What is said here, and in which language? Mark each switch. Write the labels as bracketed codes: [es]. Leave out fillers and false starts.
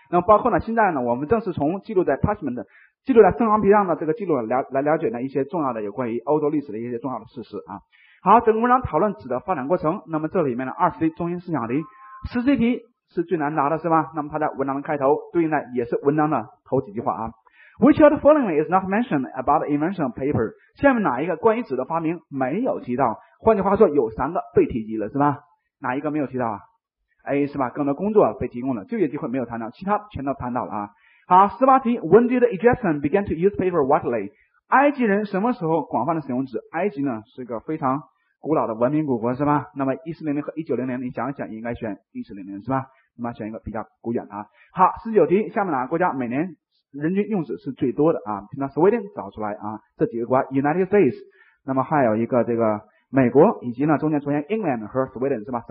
[zh] 那么包括呢，现在呢，我们正是从记录在 parchment。记录在生羊皮上的这个记录来了解呢一些重要的有关于欧洲历史的一些重要的事实啊。好，整个文章讨论纸的发展过程，那么这里面的20题中心思想题，十七题是最难答的是吧？那么它在文章的开头对应的也是文章的头几句话啊。 [en] Which of the following is not mentioned about the invention of paper? [zh] 下面哪一个关于纸的发明没有提到？换句话说有三个被提及了是吧？哪一个没有提到啊？ A 是吧，更多工作被提供了，就业机会没有谈到，其他全都谈到了啊。好，18题 [en] When did the Egyptians begin to use paper widely? [zh] 埃及人什么时候广泛的使用纸？埃及呢是一个非常古老的文明古国是吧？那么1400和1900你想一想应该选1400是吧？那么选一个比较古远的啊。好，19题下面哪个国家每年人均用纸是最多的啊？听到 Sweden 找出来啊，这几个国家 United States， 那么还有一个这个美国，以及呢中间出现 England 和 Sweden 是吧？